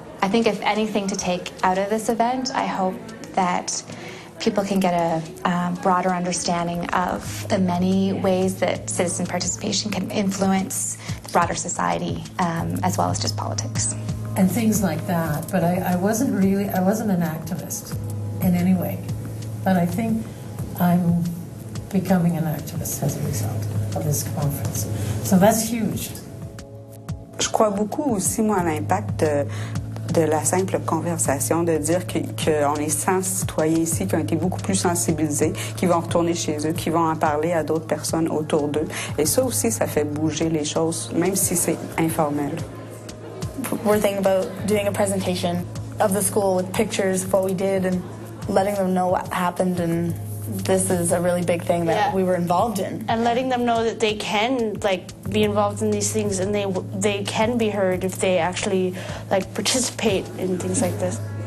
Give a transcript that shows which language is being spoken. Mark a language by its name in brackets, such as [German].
[English] I think if anything to take out of this event, I hope that people can get a broader understanding of the many ways that citizen participation can influence the broader society, as well as just politics. And things like that, but I wasn't an activist in any way. But I think I'm becoming an activist as a result of this conference. So that's huge. [French] Je crois beaucoup aussi, moi, à l'impact de la simple conversation, de dire qu'on est 100 citoyens ici qui ont été beaucoup plus sensibilisés, qui vont retourner chez eux, qui vont en parler à d'autres personnes autour d'eux. Et ça aussi, ça fait bouger les choses, même si c'est informel. [English] We're thinking about doing a presentation of the school with pictures of what we did and letting them know what happened, and this is a really big thing that we were involved in. And letting them know that they can, like, be involved in these things and they can be heard if they actually, like, participate in things like this.